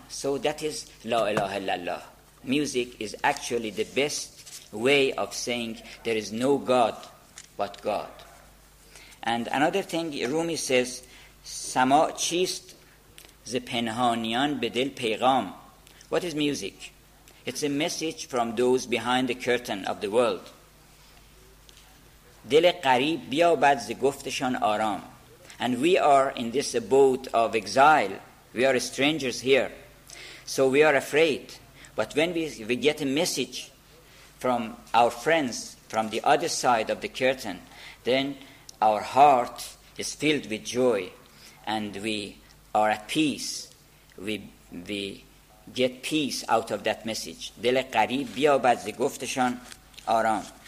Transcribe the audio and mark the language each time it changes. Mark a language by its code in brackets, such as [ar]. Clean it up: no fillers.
[en] So that is [ar] La ilaha illallah. [en] Music is actually the best way of saying there is no God but God. And another thing Rumi says, [fa] Sama chist ze penhanian bedel peygam. [en] What is music? It's a message from those behind the curtain of the world. [fa] دل قریب بیابد ز گفتشان آرام. [en] And we are in this abode of exile. We are strangers here. So we are afraid. But when we get a message from our friends from the other side of the curtain, then our heart is filled with joy and we are at peace. We get peace out of that message. [fa] دل قریب بیابد ز گفتشان آرام.